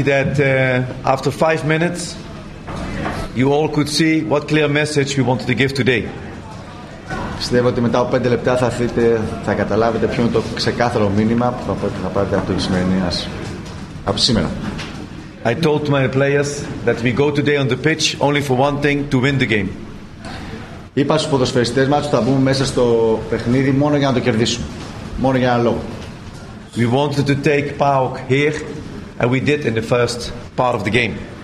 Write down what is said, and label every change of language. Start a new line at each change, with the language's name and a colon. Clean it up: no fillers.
English: that after 5 minutes, you all could see what clear message we wanted to give today.
Greek: Πιστεύω ότι μετά από 5 λεπτά θα καταλάβετε ποιο είναι το ξεκάθαρο μήνυμα που θα πάρετε από το σημερινό μας από σήμερα.
English: I told my players that we go today on the pitch only for one thing, to win the game.
Greek: Είπα στους ποδοσφαιριστές μας ότι θα μπούμε μέσα στο παιχνίδι μόνο για να το κερδίσουμε. Μόνο για έναν λόγο.
English: We wanted to take PAOK here and we did in the first part of the game.